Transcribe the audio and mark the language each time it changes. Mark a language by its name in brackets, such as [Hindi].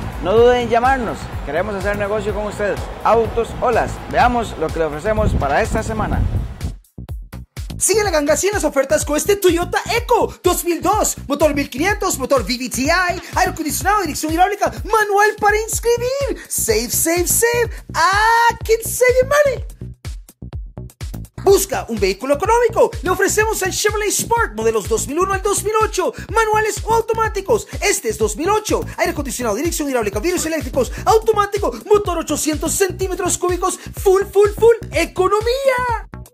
[Spanish] No duden en llamarnos, queremos hacer negocio con ustedes. Autos Olas, veamos lo que le ofrecemos para esta semana. Sigue la ganga sin las ofertas con este Toyota Echo 2002, motor 1500, motor VVT-i, aire acondicionado, dirección hidráulica, manual para inscribir. [English] Save, save, save, can save your money. [Spanish] Busca un vehículo económico, le ofrecemos el Chevrolet Spark, modelos 2001 al 2008, manuales o automáticos. Este es 2008, aire acondicionado, dirección hidráulica, vidrios eléctricos, automático, motor 800 centímetros cúbicos, full economía.